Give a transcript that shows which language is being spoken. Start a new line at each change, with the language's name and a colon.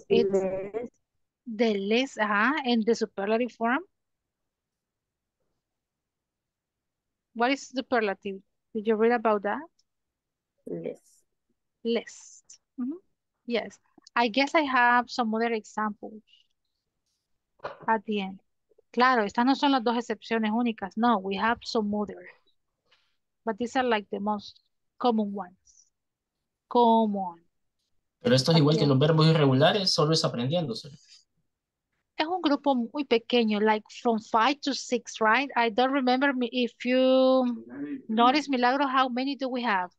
English: It's the less, ajá, in the superlative form. What is superlative? Did you read about that? Less. Less. Mm-hmm. Yes. I guess I have some other examples at the end.
Spanish: Claro, estas no son las dos excepciones únicas.
English: No, we have some other. But these are like the most common ones. Common.
Spanish: Pero esto es igual que los verbos irregulares, solo es aprendiéndose. Es un grupo muy pequeño,
English: like from 5 to 6, right? I don't remember if you notice, Milagro, how many do we have?